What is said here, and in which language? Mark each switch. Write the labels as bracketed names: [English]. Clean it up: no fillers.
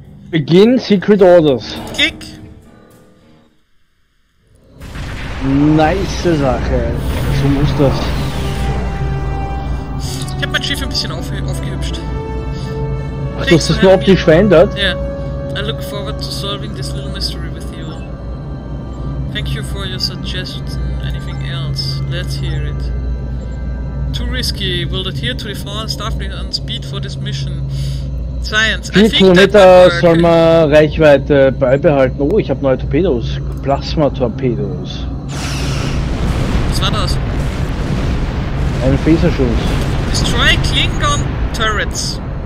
[English] Begin Secret Orders. Kick! [German] Nice Sache. So muss das. Ich hab mein Schiff ein bisschen aufgehübscht. Ach, du hast das nur optisch verändert? Ja. [English] Yeah. I look forward to solving this little mystery with you. Thank you for your suggestion. Anything else? Let's hear it. Too risky. Will adhere to the fallen Starfleet on speed for this mission. Science. [German] 4 Kilometer soll man Reichweite beibehalten. Oh, ich hab neue Torpedos. Plasma-Torpedos. Was war das? Ein Phaserschuss. [English] Destroy Klingon Turrets.